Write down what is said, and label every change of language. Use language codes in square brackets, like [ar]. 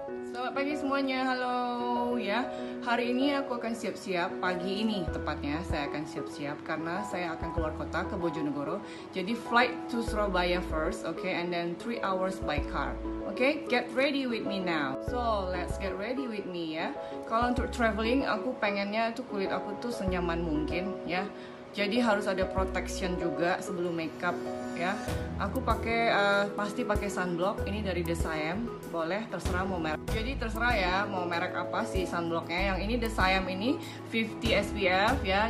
[id] Selamat pagi semuanya, halo ya. Hari ini aku akan siap-siap, pagi ini tepatnya saya akan siap-siap karena saya akan keluar kota ke Bojonegoro. [en] Jadi flight to Surabaya first, okay, and then 3 hours by car. Okay, get ready with me now. So, let's get ready with me ya. [id] Kalau untuk traveling, aku pengennya tuh kulit aku tuh senyaman mungkin ya. Jadi harus ada protection juga sebelum makeup ya. Aku pakai pasti pakai sunblock. Ini dari The Siam. Boleh terserah mau merek. Jadi terserah ya mau merek apa sih sunblocknya. Yang ini The Siam ini 50 SPF ya.